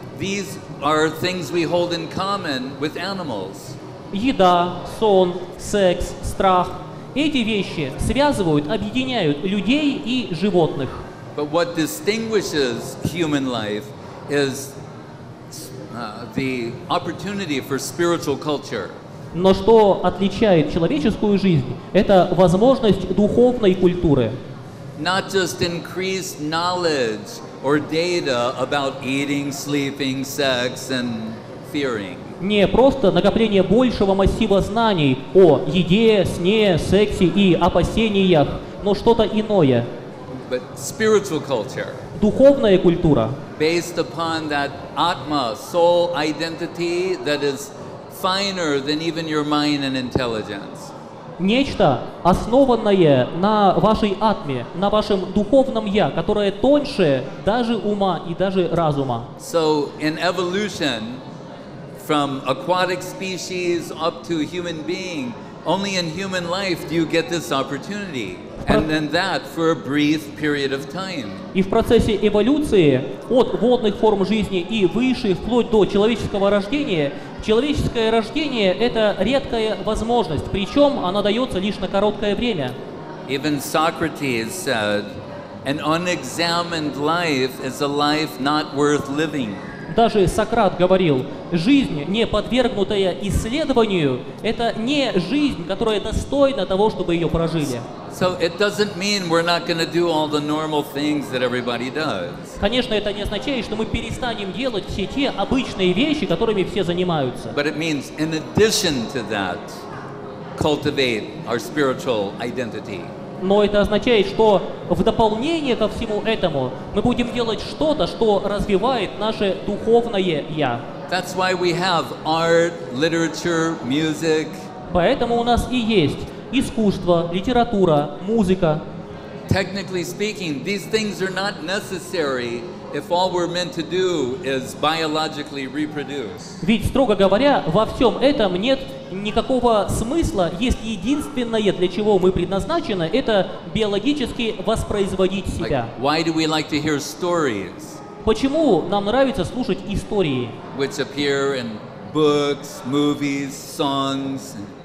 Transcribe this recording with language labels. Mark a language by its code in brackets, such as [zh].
[en] These are things we hold in common with animals. [ru] Еда, сон, секс, страх. Эти вещи связывают, объединяют людей и животных. [en] But what distinguishes human life is the opportunity for spiritual culture. [ru] Но что отличает человеческую жизнь, это возможность духовной культуры. [en] Not just increased knowledge or data about eating, sleeping, sex and fearing. [ru] Не просто накопление большего массива знаний о еде, сне, сексе и опасениях, но что-то иное. [en] But spiritual culture. [ru] Духовная культура. [en] Based upon that atma, soul identity that is finer than even your mind and intelligence. [ru] Нечто, основанное на вашей атме, на вашем духовном я, которое тоньше даже ума и даже разума. [en] So in evolution, from aquatic species up to human being, only in human life do you get this opportunity. And then that for a brief period of time. [ru] И в процессе эволюции от водных форм жизни и выше вплоть до человеческого рождения, человеческое рождение — это редкая возможность, причем она дается лишь на короткое время. [en] Even Socrates said, an unexamined life is a life not worth living. [ru] Даже Сократ говорил, жизнь, не подвергнутая исследованию, это не жизнь, которая достойна того, чтобы ее прожили. [en] So it doesn't mean we're not going to do all the normal things that everybody does. [ru] Конечно, это не означает, что мы перестанем делать все те обычные вещи, которыми все занимаются. [en] But it means, in addition to that, cultivate our spiritual identity. [ru] Но это означает, что в дополнение ко всему этому мы будем делать что-то, что развивает наше духовное «я». [en] That's why we have art, literature, music. [ru] Поэтому у нас и есть искусство, литература, музыка. [en] Technically speaking, these things are not necessary if all we're meant to do is biologically reproduce. [ru] Ведь, строго говоря, во всем этом нет никакого смысла, есть единственное, для чего мы предназначены, это биологически воспроизводить себя. [en] Like, why do we like to hear stories? [ru] Почему нам нравится слушать истории? [en] Which appear in books, movies, songs.